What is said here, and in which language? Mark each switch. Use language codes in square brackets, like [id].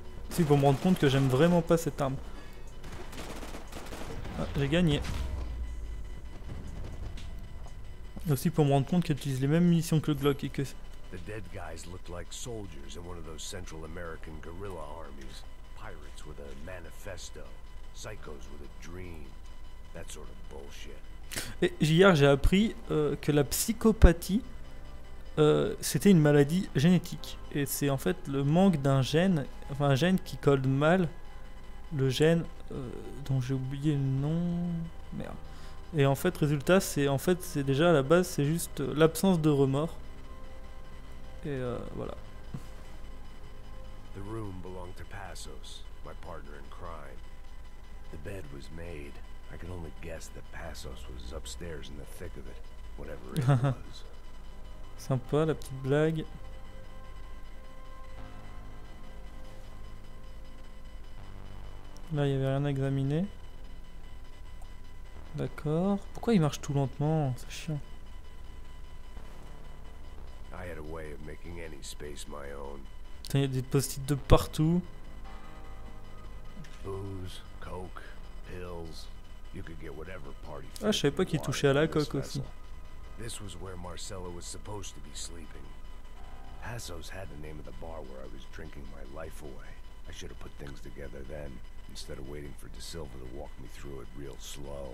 [fr] Si, pour me rendre compte que j'aime vraiment pas cette arme. Ah, j'ai gagné. Et aussi pour me rendre compte qu'elle utilise les mêmes munitions que le Glock et que... [en] The dead guys looked like soldiers in one of those Central American guerrilla armies. Pirates with a manifesto, psychos with a dream, that sort of bullshit. [fr] Et hier j'ai appris que la psychopathie c'était une maladie génétique et c'est en fait le manque d'un gène, enfin un gène qui colle mal, le gène dont j'ai oublié le nom, merde. Et en fait résultat c'est déjà à la base c'est juste l'absence de remords. Et voilà. [en] The room belonged to Passos, my partner in crime. The bed was made. I could only guess that Passos was upstairs in the thick of it, whatever it was. [fr] Sympa la petite blague. Là, il y avait rien à examiner. D'accord. Pourquoi il marche tout lentement? C'est chiant. Il y a des post-it de partout. [en] Booze, coke, pills. You could get whatever party. [fr] Ah, je savais pas qu'il touchait à la coke aussi. [en] This was where Marcella was supposed to be sleeping. Passos had the name of the bar where I was drinking my life away. I should have put things together then instead of waiting for De Silva to walk me through it real slow.